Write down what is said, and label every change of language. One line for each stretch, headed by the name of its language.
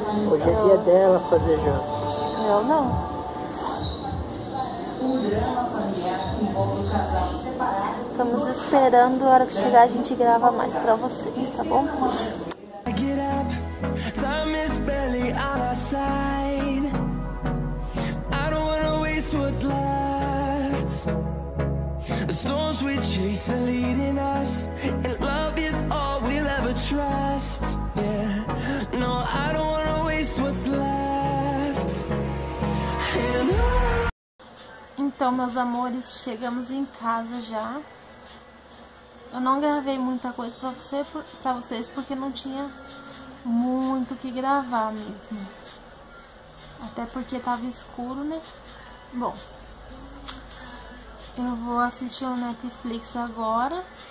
Portuguese: Hoje é dia dela fazer janta. Eu não. Estamos esperando a hora que chegar, a gente grava mais pra vocês, tá bom?
English: Time is barely on our side. I don't wanna waste what's left. The storms we chase are leading us, and love is all we'll ever trust. Yeah, no, I don't wanna waste what's left.
Portuguese: Então, meus amores, chegamos em casa já. Eu não gravei muita coisa pra vocês porque não tinha muito que gravar mesmo. Até porque tava escuro, né? Bom, eu vou assistir o Netflix agora.